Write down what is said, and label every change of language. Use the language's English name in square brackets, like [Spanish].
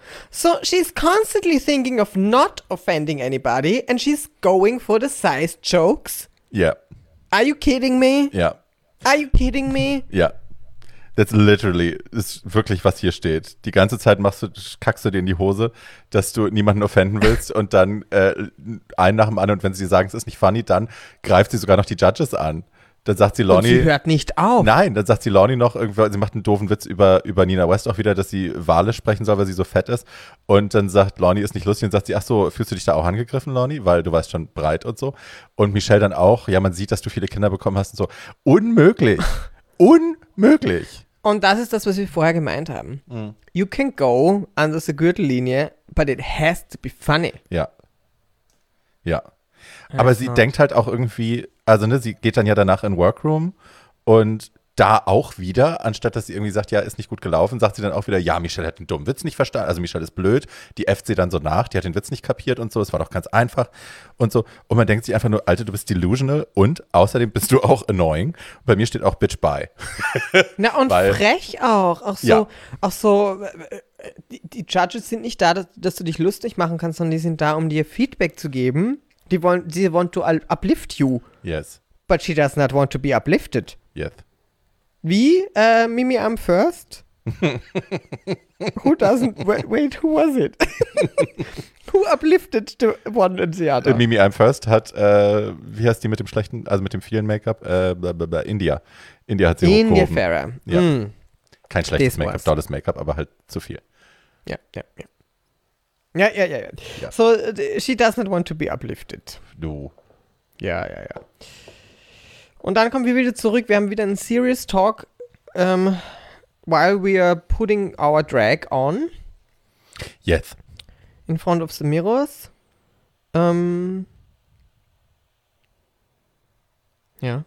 [English] So she's constantly thinking of not offending anybody and she's going for the size jokes? Yeah. Are you kidding me? Yeah. Are you kidding me? Yeah. That's literally, [German] ist wirklich, was hier steht. Die ganze Zeit kackst du dir in die Hose, dass du niemanden offenden willst und dann einen nach dem anderen und wenn sie sagen, es ist nicht funny, dann greift sie sogar noch die Judges an. Dann sagt sie Lonnie. Und sie hört nicht auf. Nein, dann sagt sie Lonnie noch irgendwie, sie macht einen doofen Witz über Nina West auch wieder, dass sie Wale sprechen soll, weil sie so fett ist. Und dann sagt Lonnie, ist nicht lustig und sagt sie, ach so, fühlst du dich da auch angegriffen, Lonnie? Weil du warst schon breit und so. Und Michelle dann auch, ja, man sieht, dass du viele Kinder bekommen hast und so. Unmöglich. Unmöglich. Und das ist das, was wir vorher gemeint haben. Mm. [English] You can go under the Gürtellinie, but it has to be funny. [German] Ja. Ja. Aber sie denkt halt auch irgendwie, also ne, sie geht dann ja danach in Workroom und da auch wieder, anstatt dass sie irgendwie sagt, ja, ist nicht gut gelaufen, sagt sie dann auch wieder, ja, Michelle hat einen dummen Witz nicht verstanden, also Michelle ist blöd, die äfft sie dann so nach, die hat den Witz nicht kapiert und so, es war doch ganz einfach und so. Und man denkt sich einfach nur, Alter, du bist delusional und außerdem bist du auch annoying. Bei mir steht auch Bitch bye. Na und weil, frech auch, auch so, ja. Auch so, die Judges sind nicht da, dass du dich lustig machen kannst, sondern die sind da, um dir Feedback zu geben. [English] Sie want to uplift you. Yes. But she does not want to be uplifted. Yes. Wie? Mimi, I'm first? Who doesn't... Wait, who was it? Who uplifted the one and the other? [German] Mimi, I'm first hat, wie heißt die mit dem schlechten, also mit dem vielen Make-up? India. India hat sie hochgehoben. India Farah. Ja. Mm. Kein schlechtes this Make-up, tolles Make-up, aber halt zu viel. Ja, ja, ja. Ja, ja, ja, ja. [English] So, she does not want to be uplifted. No. [German] Ja, ja, ja. Und dann kommen wir wieder zurück. Wir haben wieder einen [English] Serious Talk, while we are putting our drag on. Yes. In front of the mirrors. Ja.